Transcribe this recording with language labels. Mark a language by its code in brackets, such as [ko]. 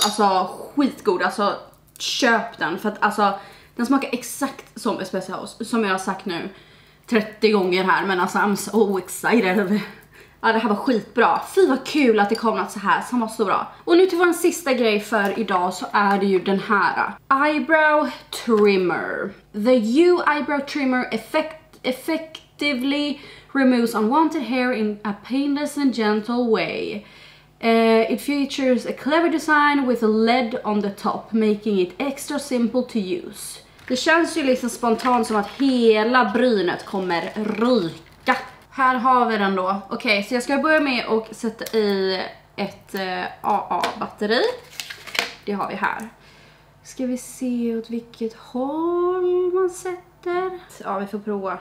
[sv] Alltså skitgod. Alltså köp den. För att alltså, den smakar exakt som Espresso House. Som jag har sagt nu. 30 gånger här, men alltså [en] I'm so excited. [sv] Ja, det här var skitbra. Fy vad kul att det kom något så här, som var så bra. Och nu till vår sista grej för idag så är det ju den här. [en] Eyebrow Trimmer. The U Eyebrow Trimmer effectively removes unwanted hair in a painless and gentle way. It features a clever design with a LED on the top, making it extra simple to use. [sv] Det känns ju liksom spontant som att hela brynet kommer ryka. Här har vi den då. Okej, så jag ska börja med att sätta i ett AA-batteri. Det har vi här. Ska vi se åt vilket håll man sätter. Ja, vi får prova.